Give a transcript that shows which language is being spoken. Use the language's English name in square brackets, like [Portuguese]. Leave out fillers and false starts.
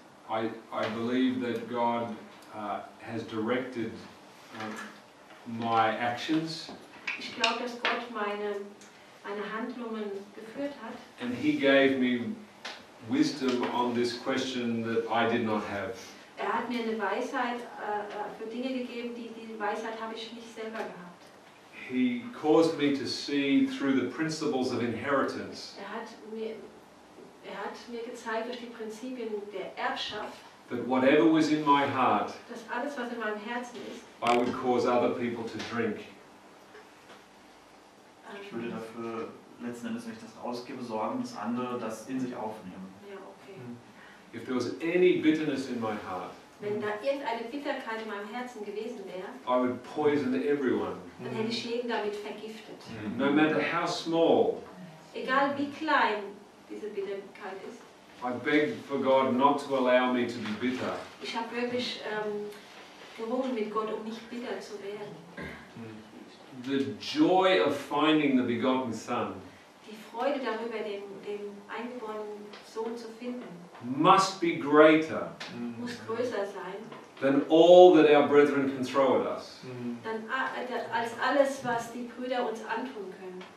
[English] I believe that God has directed my actions. [German] Ich glaube, dass Gott meine Handlungen geführt hat. [English] And he gave me wisdom on this question that I did not have. [German] Er hat mir eine Weisheit für Dinge gegeben, die Weisheit habe ich nicht selber gehabt. [English] He caused me to see through the principles of inheritance. [German] Er hat mir gezeigt durch die Prinzipien der Erbschaft. [English] That whatever was in my heart, [German] dass alles, was in meinem Herzen ist, [English] I would cause other people to drink. [German] Ich würde dafür letzten Endes, wenn ich das ausgebe, sorgen, dass andere das in sich aufnehmen. Ja, okay. [English] If there was any bitterness in my heart, [German] wenn da irgendeine Bitterkeit in meinem Herzen gewesen wäre, [English] I would poison everyone. [German] Dann hätte ich jeden damit vergiftet. [English] No matter how small, [German] egal wie klein diese Bitterkeit ist, [English] I begged for God not to allow me to be bitter. [German] Ich habe wirklich gerungen mit Gott, um nicht bitter zu werden. [English] The joy of finding the begotten Son, [German] die Freude darüber, den eingeborenen Sohn zu finden, [English] must be greater, [German] muss größer sein, [English] than all that our brethren can throw at us. [German] Als alles, was die Brüder uns antun können.